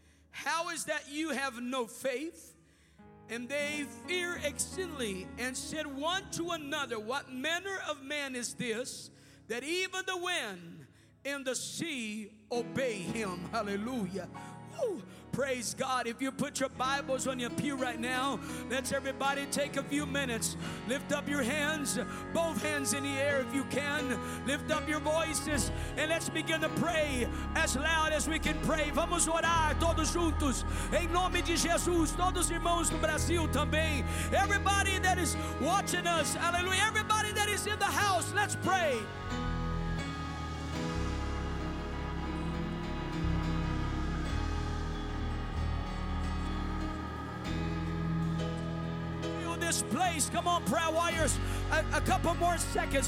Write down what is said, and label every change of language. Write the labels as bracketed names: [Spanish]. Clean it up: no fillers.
[English] How is that you have no faith? And they fear exceedingly and said one to another, what manner of man is this that even the wind and the sea obey him? Hallelujah. Woo. Praise God. If you put your Bibles on your pew right now, let's everybody take a few minutes. Lift up your hands, both hands in the air if you can. Lift up your voices and let's begin to pray as loud as we can pray. [Portuguese] Vamos orar todos juntos. Em nome de Jesus, todos irmãos do Brasil também. [English] Everybody that is watching us, hallelujah. Everybody that is in the house, let's pray. This place, come on, prayer warriors, a couple more seconds.